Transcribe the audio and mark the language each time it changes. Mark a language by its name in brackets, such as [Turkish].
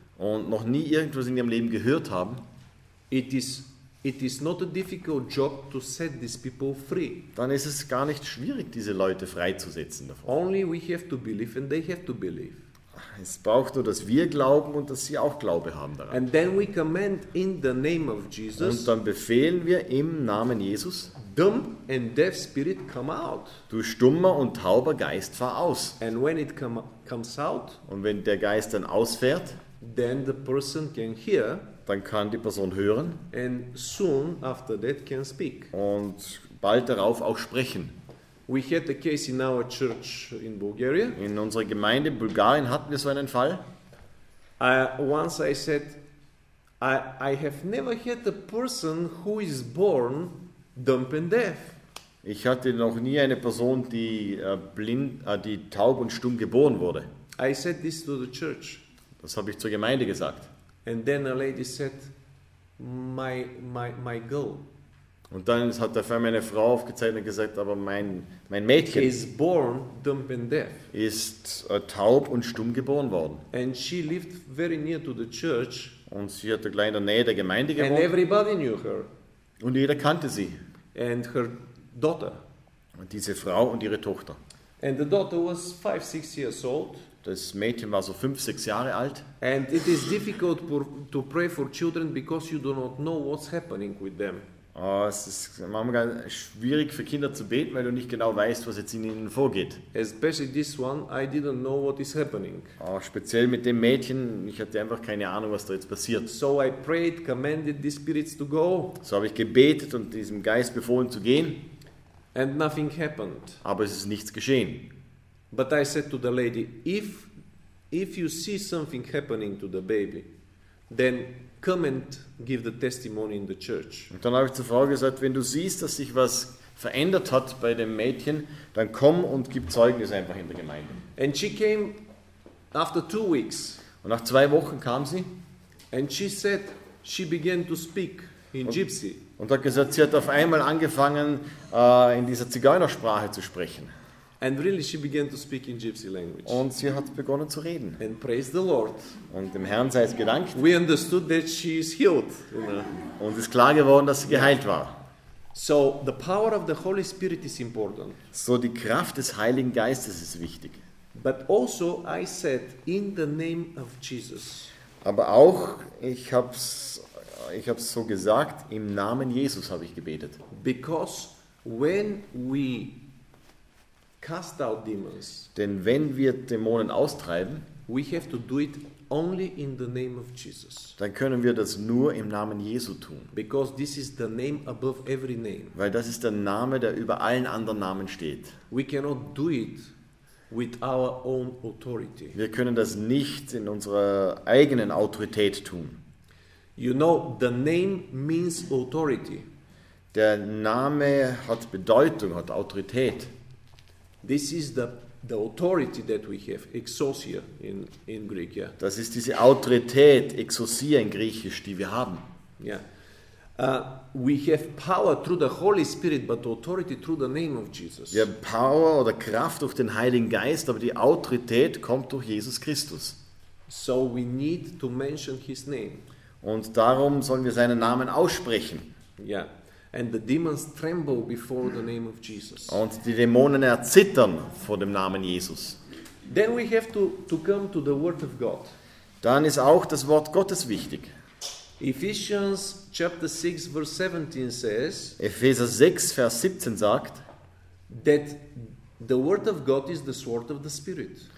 [German] und noch nie irgendwas in ihrem Leben gehört haben, [English] it is not a difficult job to set these people free. [German] Dann ist es gar nicht schwierig, diese Leute freizusetzen davon. [English] Only we have to believe and they have to believe. [German] Es braucht nur, dass wir glauben und dass sie auch Glaube haben daran. [English] And then we command in the name of Jesus. [German] Und dann befehlen wir im Namen Jesus. [English] Dumb and deaf spirit come out. [German] Du stummer und tauber Geist, fahr aus. [English] And when it comes out, [German] und wenn der Geist dann ausfährt, [English] then the person can hear, [German] dann kann die Person hören, [English] and soon after that can speak. [German] Und bald darauf auch sprechen. [English] We had a case in our church in Bulgaria. [German] In unserer Gemeinde Bulgarien hatten wir so einen Fall. [English] Once I said, I have never had a person who is born dumb and deaf. [German] Ich hatte noch nie eine Person, die blind, die taub und stumm geboren wurde. [English] I said this to the church. [German] Das habe ich zur Gemeinde gesagt. [English] And then a lady said, my girl. [German] Und dann hat der Vater meine Frau aufgezeigt und gesagt, aber mein Mädchen [English] is born dumb and deaf. [German] Ist taub und stumm geboren worden. [English] And she lived very near to the church. [German] Und sie hatte gleich in der Nähe der Gemeinde gewohnt. [English] And everybody knew her. [German] Und jeder kannte sie. [English] And her daughter. [German] Und diese Frau und ihre Tochter. [English] And the daughter was 5-6 years old. [German] Das Mädchen war so 5-6 Jahre alt. [English] And it is difficult to pray for children because you do not know what's happening with them. [German] Oh, es ist manchmal schwierig für Kinder zu beten, weil du nicht genau weißt, was jetzt in ihnen vorgeht. [English] Especially this one, I didn't know what is happening. [German] Oh, speziell mit dem Mädchen, ich hatte einfach keine Ahnung, was da jetzt passiert. [English] So I prayed, commanded these spirits to go. [German] So habe ich gebetet und diesem Geist befohlen zu gehen. [English] And nothing happened. [German] Aber es ist nichts geschehen. [English] But I said to the lady, if you see something happening to the baby, then come and give the testimony in the church. [German] Und dann habe ich zur Frau gesagt, wenn du siehst, dass sich was verändert hat bei dem Mädchen, dann komm und gib Zeugnis einfach in der Gemeinde. [English] And she came after 2 weeks. [German] Und nach 2 Wochen kam sie. [English] And she said she began to speak in Gypsy. [German] Und hat gesagt, sie hat auf einmal angefangen, in dieser Zigeunersprache zu sprechen. [English] And really she began to speak in Gypsy language. [German] Und sie hat begonnen zu reden. [English] And praise the Lord. [German] Und dem Herrn sei es gedankt. [English] We understood that she is healed. [German] Und ist klar geworden, dass sie geheilt war. [English] So the power of the Holy Spirit is important. [German] So die Kraft des Heiligen Geistes ist wichtig. [English] But also I said in the name of Jesus. [German] Aber auch ich hab's so gesagt, im Namen Jesus habe ich gebetet. [English] Because when we cast out demons. [German] Denn wenn wir Dämonen austreiben, [English] we have to do it only in the name of Jesus. [German] Dann können wir das nur im Namen Jesu tun. [English] Because this is the name above every name. [German] Weil das ist der Name, der über allen anderen Namen steht. [English] We cannot do it with our own authority. [German] Wir können das nicht in unserer eigenen Autorität tun. [English] You know, the name means authority. [German] Der Name hat Bedeutung, hat Autorität. [English] This is the authority that we have, exousia in Greek, yeah. [German] Das ist diese Autorität, exousia in Griechisch, die wir haben. [English] Yeah. We have power through the Holy Spirit, but authority through the name of Jesus. [German] Wir haben Power oder Kraft durch den Heiligen Geist, aber die Autorität kommt durch Jesus Christus. [English] So we need to mention his name. [German] Und darum sollen wir seinen Namen aussprechen. [English] Yeah. And the demons tremble before the name of Jesus. [German] Und die Dämonen erzittern vor dem Namen Jesus. [English] Then we have to come to the word of God. [German] Dann ist auch das Wort Gottes wichtig. [English] Ephesians chapter 6 verse 17 says. [German] Epheser 6 Vers 17 sagt [English] that The word of God is the sword of the Spirit.